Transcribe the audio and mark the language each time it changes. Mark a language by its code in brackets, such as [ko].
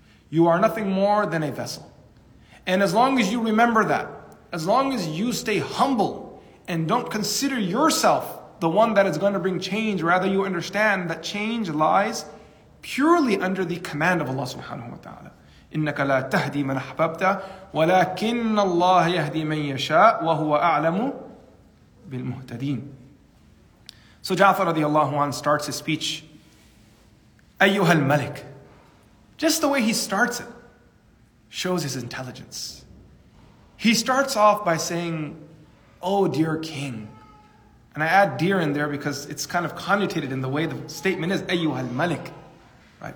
[en] You are nothing more than a vessel. And as long as you remember that, as long as you stay humble and don't consider yourself the one that is going to bring change, rather you understand that change lies purely under the command of Allah subhanahu wa ta'ala. [ar] إِنَّكَ لَا تَهْدِي مَنْ أَحْبَبْتَ وَلَكِنَّ اللَّهَ يَهْدِي مَنْ يَشَاءُ وَهُوَ أَعْلَمُ بِالْمُهْتَدِينَ. [en] So Ja'far radiallahu anhu starts his speech. [ar] أَيُّهَا الْمَلِكُ. [en] Just the way he starts it shows his intelligence. He starts off by saying, oh dear king. And I add dear in there because it's kind of connotated in the way the statement is, [ar] أَيُّهَا الْمَلِكُ. [en] Right?